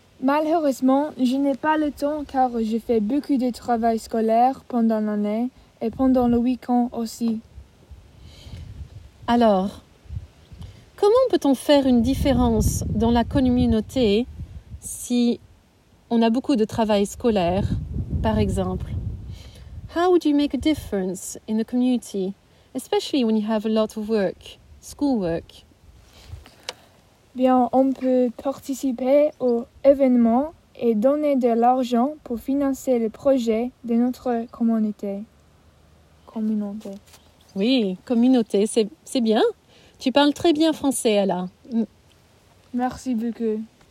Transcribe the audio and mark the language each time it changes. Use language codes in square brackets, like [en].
[fr] Malheureusement, je n'ai pas le temps car je fais beaucoup de travail scolaire pendant l'année et pendant le week-end aussi. Alors, comment peut-on faire une différence dans la communauté si on a beaucoup de travail scolaire, par exemple? [en] How would you make a difference in the community, especially when you have a lot of work, school work? [fr] Bien, on peut participer aux événements et donner de l'argent pour financer les projets de notre communauté. Communauté. Oui, communauté, c'est bien. Tu parles très bien français, Ella. Merci beaucoup.